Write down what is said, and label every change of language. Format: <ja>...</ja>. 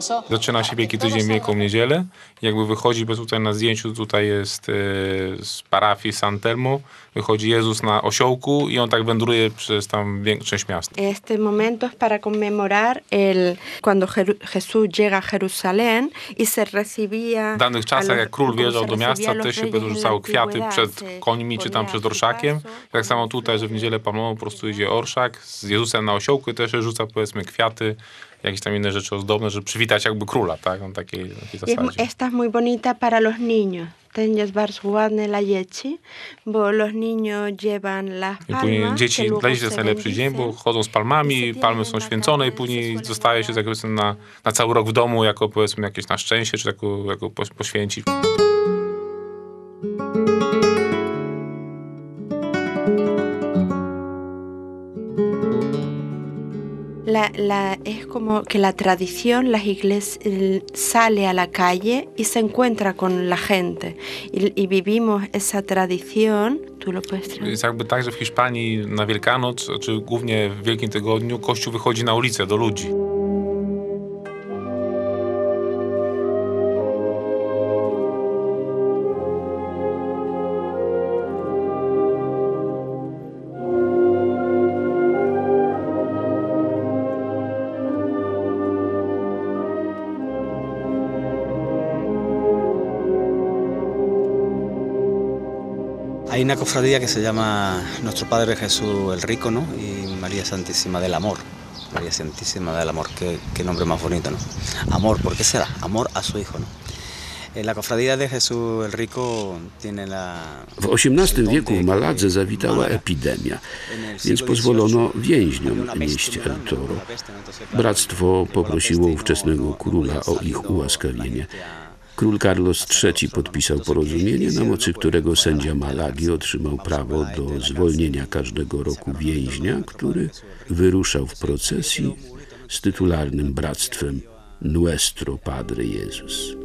<pl>Zaczyna się Wielki Tydzień Wielką Niedzielę. Jakby wychodzi, bo tutaj na zdjęciu tutaj jest z parafii San Telmo, wychodzi Jezus na osiołku i on tak wędruje przez tam większość miasta.</pl> <es>Este momento es para conmemorar el cuando Jesús llega a Jerusalén y se recibía.</es> <pl>W danych czasach, jak król wjeżdżał do miasta, to się rzucały kwiaty przed końmi czy tam przed orszakiem. Tak samo tutaj, że w Niedzielę Palmową po prostu idzie orszak z Jezusem na osiołku i też się rzuca, powiedzmy, kwiaty, jakieś tam inne rzeczy ozdobne, żeby przywitać jakby króla, tak? On takiej zasadzie.</pl> <es>Esta es muy bonita para los niños. Tenías</es> <pl>bardzo ładne dla dzieci, bo</pl> <es>los niños llevan las palmas.</es> <pl>I później dzieci, dla dzieci jest najlepszy dzień, bo chodzą z palmami, palmy są święcone i później zostaje się tak, powiedzmy, na cały rok w domu, jako, powiedzmy, jakieś na szczęście, czy jako poświęci.</pl> <es>La es como que la tradición, las iglesias sale a la calle y se encuentra con la gente y vivimos esa tradición. Tu lo puedes traer.</es> <pl>Jest jakby tak, że w Hiszpanii na Wielkanoc, czy głównie w Wielkim Tygodniu, Kościół wychodzi na ulicę do ludzi.</pl> <es>Hay una cofradía que se llama Nuestro Padre Jesús el Rico, ¿no? Y María Santísima del Amor. María Santísima del Amor, qué nombre más bonito, ¿no? Amor, ¿por qué será? Amor a su hijo, ¿no? La cofradía de Jesús el Rico tiene la...</es> <pl>W XVIII wieku w Maladze zawitała epidemia, więc pozwolono więźniom nieść El Toro. Bractwo poprosiło ówczesnego króla o ich ułaskawienie. Król Carlos III podpisał porozumienie, na mocy którego sędzia Malagi otrzymał prawo do zwolnienia każdego roku więźnia, który wyruszał w procesji z tytularnym bractwem Nuestro Padre Jesus.</pl>